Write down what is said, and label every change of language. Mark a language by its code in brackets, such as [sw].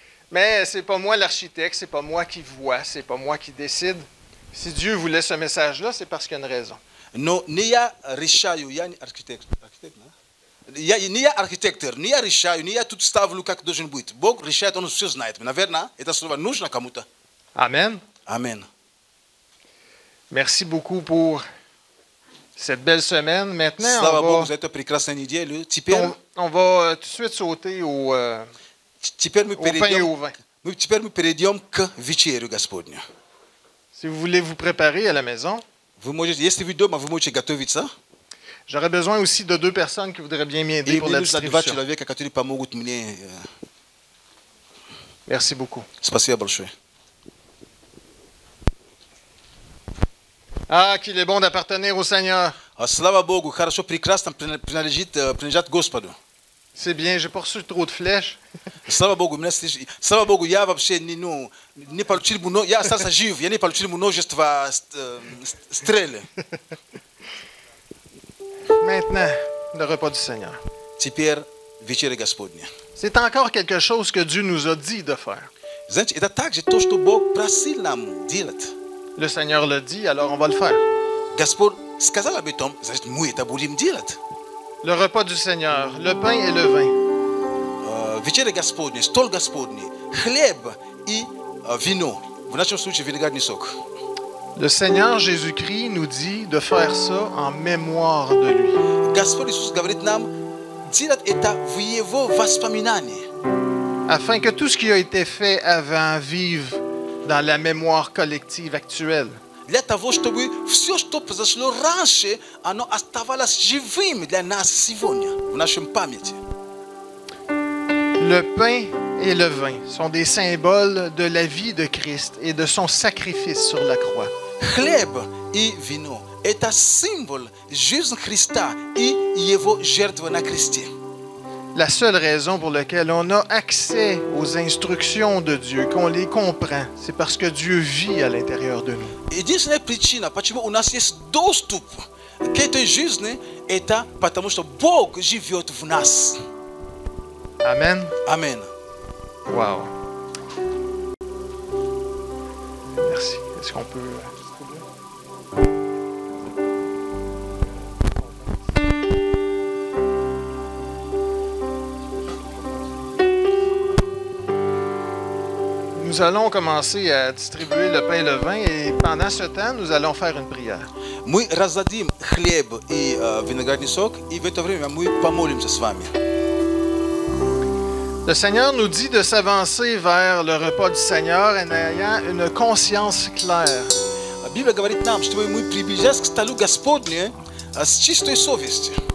[fr] Mais ce n'est pas moi l'architecte, ce n'est pas moi qui vois, ce n'est pas moi qui décide. Si Dieu voulait ce message-là, c'est parce qu'il y a une raison. [ru] Но не я решаю, я не архитектор. Не я архитектор, не я решаю, не я тут ставлю, как должен быть. Бог решает, Он все знает. Наверное, это слово нужно кому-то. Амен. Амен. [fr] Merci beaucoup pour cette belle semaine. Maintenant, [ru] слава Богу за эту прекрасную неделю. Теперь [fr] on va tout de suite sauter [ru] теперь мы перейдем к вечерю Господню. [fr] Si vous voulez vous préparer à la maison. Vous mangez, [ru] если вы дома, вы можете готовить ça. [fr] J'aurais besoin aussi de deux personnes qui voudraient bien m'aider pour la distribution. Et bien, nous avons deux personnes qui Merci beaucoup. [ru] Спасибо большое. [fr] Ah, qu'il est bon d'appartenir au Seigneur. [ru] Слава Богу, хорошо, прекрасно принадлежит Господу. [fr] C'est bien, j'ai pas reçu trop de flèches. [ru] Слава Богу, я вообще не получил много, я остался жив, я не получил множество стрел. [fr] Maintenant, le repas du Seigneur. [ru] Теперь вечеря Господня. [fr] C'est encore quelque chose que Dieu nous a dit de faire. [ru] Знаете, это также то, что Бог просил нам делать. [fr] Le Seigneur l'a dit, alors on va le faire. [ru] Господь сказал об этом, значит, мы это будем делать. [fr] Le repas du Seigneur, le pain et le vin. [ru] Вечеря Господня, стол Господний, хлеб и вино. В нашем случае виноградный сок. [fr] Le Seigneur Jésus-Christ nous dit de faire ça en mémoire de lui. [ru] Господь Иисус говорит нам делать это в его воспоминании. [fr] Afin que tout ce qui a été fait avant vive dans la mémoire collective actuelle. [ru] Для того, чтобы все, что произошло раньше, оно оставалось живым для нас сегодня, в нашем памяти. [fr] Le pain et le vin sont des symboles de la vie de Christ et de son sacrifice sur la croix. [ru] Хлеб и вино – это символ жизни Христа и его жертвы на кресте. [fr] La seule raison pour laquelle on a accès aux instructions de Dieu, qu'on les comprend, c'est parce que Dieu vit à l'intérieur de nous. [ru] Единственная причина, почему у нас есть доступ к этой жизни, это потому что Бог живет в нас. [fr] Amen. Amen. Wow. Merci. Est-ce qu'on peut... Nous allons commencer à distribuer le pain et le vin et pendant ce temps, nous allons faire une prière. [ru] Мы раздадим хлеб и виноградный сок и в это время мы помолимся с вами. [fr] Le Seigneur nous dit de s'avancer vers le repas du Seigneur en ayant une conscience claire. [ru] La Bible говорит нам, чтобы мы приближались к столу Господню с чистой совестью.